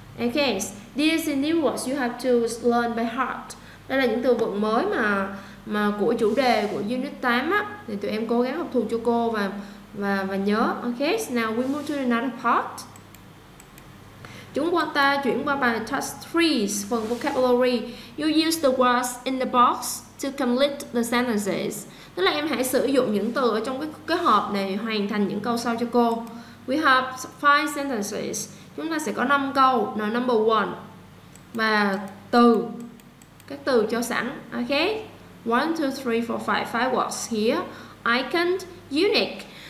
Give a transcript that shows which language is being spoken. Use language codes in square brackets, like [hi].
[en] Okay, these are new words you have to learn by heart. [vi] Đây là những từ vựng mới mà của chủ đề của Unit 8 á, thì tụi em cố gắng học thuộc cho cô và nhớ. [en] Okay, so now we move to another part. [vi] Chúng ta chuyển qua bài task 3, phần vocabulary. [en] You use the words in the box to complete the sentences. [vi] Tức là em hãy sử dụng những từ ở trong cái hộp này hoàn thành những câu sau cho cô. [en] We have 5 sentences. [vi] Chúng ta sẽ có 5 câu, là number 1. Và từ, các từ cho sẵn. Ok. [en] 1, 2, 3, 4, 5, 5 words here. Icon, unique.